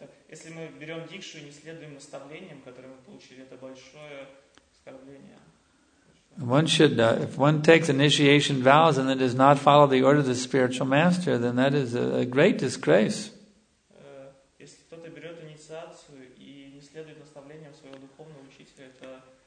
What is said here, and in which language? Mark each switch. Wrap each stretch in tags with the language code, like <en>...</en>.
<ru>Если мы берем дикшу и не следуем наставлениям, которые мы получили, это большое оскорбление.</ru> <en>One should, if one takes initiation vows and then does not follow the order of the spiritual master, then that is a great disgrace.</en> <ru>Если кто-то берет инициацию и не следует наставлениям своего духовного учителя, это</ru>